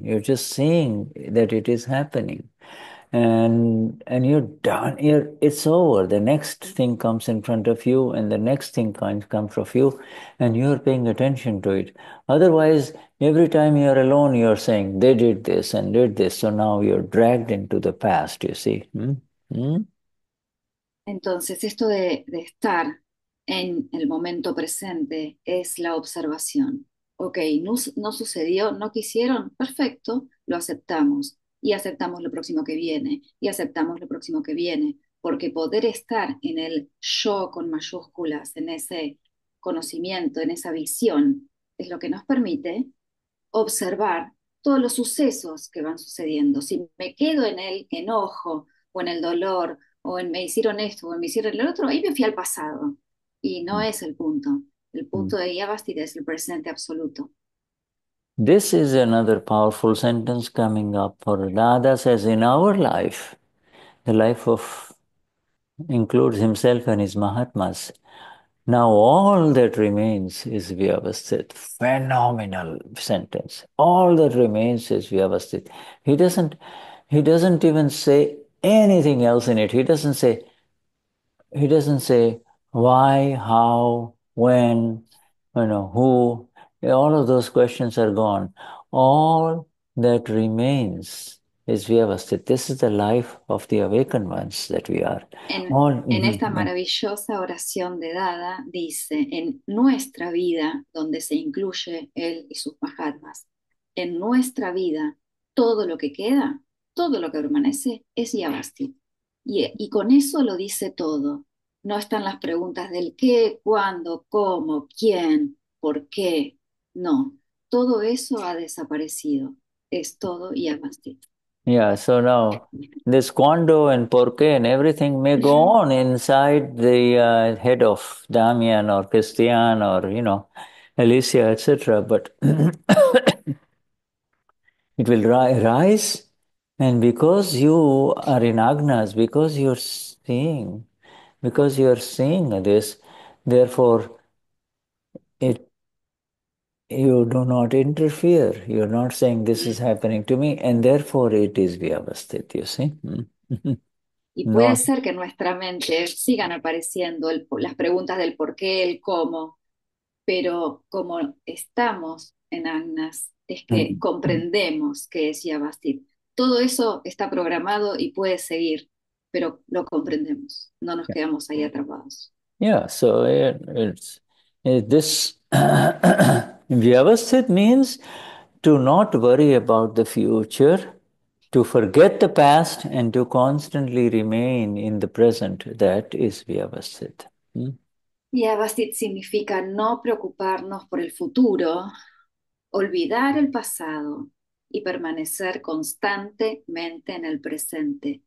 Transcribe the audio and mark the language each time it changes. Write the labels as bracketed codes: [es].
[en] You're just seeing that it is happening, and you're done. It's over. The next thing comes in front of you, and the next thing comes in front of you, and you're paying attention to it. Otherwise, every time you're alone, you're saying, they did this and did this, so now you're dragged into the past, you see. [es] Entonces, esto de estar en el momento presente es la observación. Ok, no, no sucedió, no quisieron, perfecto, lo aceptamos. Y aceptamos lo próximo que viene, y aceptamos lo próximo que viene. Porque poder estar en el yo con mayúsculas, en ese conocimiento, en esa visión, es lo que nos permite observar todos los sucesos que van sucediendo. Si me quedo en el enojo o en el dolor, o en me hicieron esto, o me hicieron el otro, ahí me fui al pasado. Y no es el punto. El punto de Yavastida es el presente absoluto. [en] This is another powerful sentence coming up for Dada says, in our life, the life of includes himself and his Mahatmas. Now all that remains is Vyavasthit. Phenomenal sentence. All that remains is Vyavasthit. He doesn't even say anything else in it. He doesn't say why, how, when. You know, who, all of those questions are gone. All that remains is Vyavasthita. This is the life of the awakened ones that we are. [es] En [en] All. [es] esta maravillosa oración de Dada dice, en nuestra vida, donde se incluye él y sus mahatmas, en nuestra vida, todo lo que queda, todo lo que permanece, es Yavasti. Y con eso lo dice todo. No están las preguntas del qué, cuándo, cómo, quién, por qué. No, todo eso ha desaparecido. Es todo Yavasti. [en] Yeah, so now this [es] cuándo [en] and [es] por qué [en] and everything may go on inside the head of Damian or Christian or, you know, Alicia, etc. But it will rise. And because you are in Agnas, because you're seeing this, therefore you do not interfere. You're not saying this is happening to me, and therefore it is Vyavasthit, you see. [es] Y puede ser que en nuestra mente sigan apareciendo las preguntas del por qué, el cómo, pero como estamos en Agnas, es que comprendemos que decía Bastid. Todo eso está programado y puede seguir, pero lo comprendemos, no nos quedamos ahí atrapados. [en] Yeah, so this Vyavasthit means to not worry about the future, to forget the past, and to constantly remain in the present. That is Vyavasthit. [es] Y Abastit significa no preocuparnos por el futuro, olvidar el pasado y permanecer constantemente en el presente.